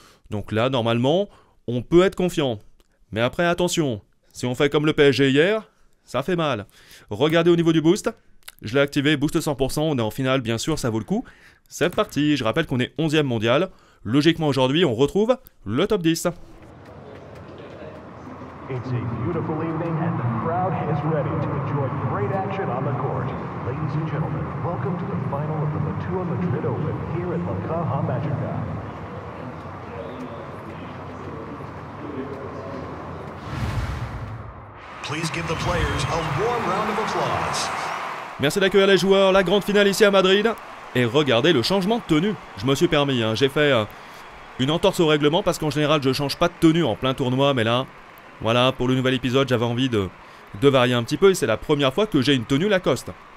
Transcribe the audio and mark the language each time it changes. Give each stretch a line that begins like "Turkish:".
French: Donc là, normalement, on peut être confiant. Mais après, attention. Si on fait comme le PSG hier, ça fait mal. Regardez au niveau du boost. Je l'ai activé, boost 100%, on est en finale, bien sûr, ça vaut le coup. C'est parti, je rappelle qu'on est 11e mondial. Logiquement, aujourd'hui, on retrouve le top 10.
English: It's a beautiful evening and the crowd is ready to enjoy great action on the court. Ladies and gentlemen, welcome to the final of the Matua Madrid Open here at La Caja Magica. Please give the players a warm round of applause.
French: Merci d'accueillir les joueurs, la grande finale ici à Madrid. Et regardez le changement de tenue. Je me suis permis, hein. J'ai fait une entorse au règlement parce qu'en général je change pas de tenue en plein tournoi. Mais là, voilà, pour le nouvel épisode, j'avais envie de varier un petit peu. Et c'est la première fois que j'ai une tenue Lacoste.